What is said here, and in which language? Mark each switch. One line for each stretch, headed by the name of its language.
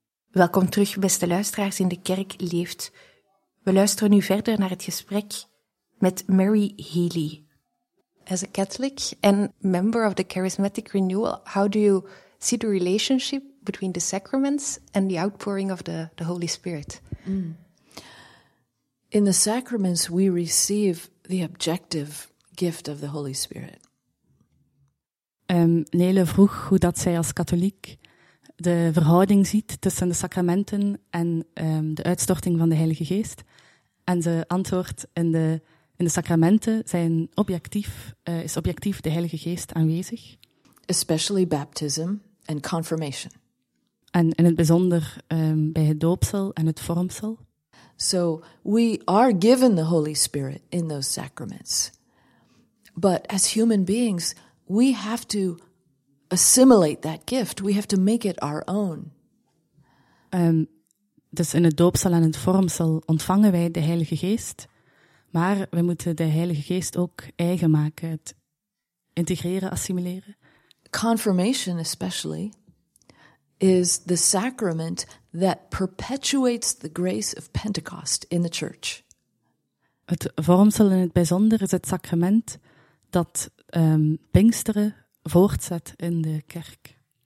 Dutch: Welkom terug, beste luisteraars in De Kerk Leeft. We luisteren nu verder naar het gesprek met Mary Healy.
English: As a Catholic and member of the Charismatic Renewal, how do you see the relationship between the sacraments and the outpouring of the Holy Spirit? Mm. In the sacraments, we receive the objective gift of the Holy Spirit.
Dutch: Nele vroeg hoe dat zij als katholiek de verhouding ziet tussen de sacramenten en de uitstorting van de Heilige Geest. En ze antwoordt, in de sacramenten zijn objectief, is objectief de Heilige Geest aanwezig.
English: Especially baptism and confirmation.
Dutch: En in het bijzonder bij het doopsel en het vormsel.
English: So we are given the Holy Spirit in those sacraments. But as human beings, we have to assimilate that gift. We have to make it our own.
Dutch: Dus in het doopsel en het vormsel ontvangen wij de Heilige Geest, maar we moeten de Heilige Geest ook eigen maken, het integreren, assimileren.
English: Confirmation especially is the sacrament that perpetuates the grace of Pentecost in the church.
Dutch: Het vormsel in het bijzonder is het sacrament dat Pinksteren voortzet in de kerk.